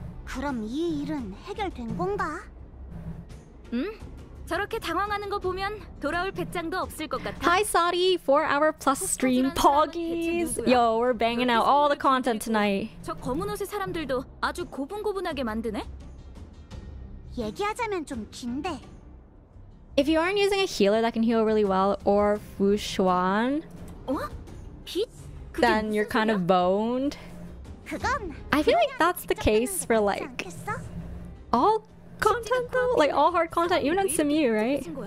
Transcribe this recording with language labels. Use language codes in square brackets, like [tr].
[ko] 그럼 이 일은 해결된 건가? 저렇게 당황하는 거 보면 돌아올 배짱도 없을 것 같아. [en] Hi, Sadi. 4-hour plus stream, poggies. Yo, we're banging out all the content tonight. [ko] 저 검은 옷의 사람들도 아주 고분고분하게 만드네. 얘기하자면 좀 긴데. [en] If you aren't using a healer that can heal really well or Fushuan, [ko] 어? 빛? [en] Then you're kind of boned. I feel like that's the case for like all content though, like all hard content, even on Simu, right?